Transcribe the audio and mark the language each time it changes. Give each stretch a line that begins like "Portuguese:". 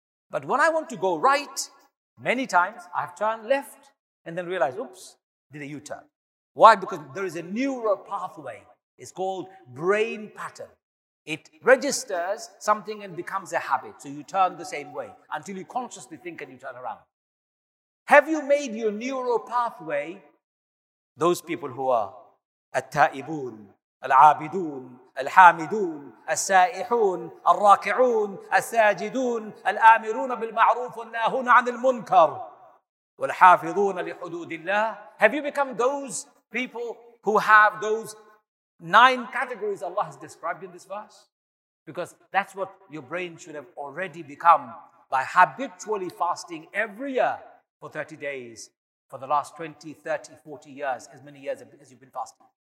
English: But when I want to go right, many times I have turned left and then realize, oops, did a U-turn. Why? Because there is a neural pathway. It's called brain pattern. It registers something and becomes a habit. So you turn the same way until you consciously think and you turn around. Have you made your neural pathway? Those people who are
Arabic: التائبون, العابدون, الحامدون, السائحون, الراكعون, الساجدون, الآمرون بالمعروف والناهون عن المنكر والحافظون لحدود الله.
English: Have you become those people who have those 9 categories Allah has described in this verse? Because that's what your brain should have already become by habitually fasting every year for 30 days for the last 20, 30, 40 years, as many years as you've been fasting.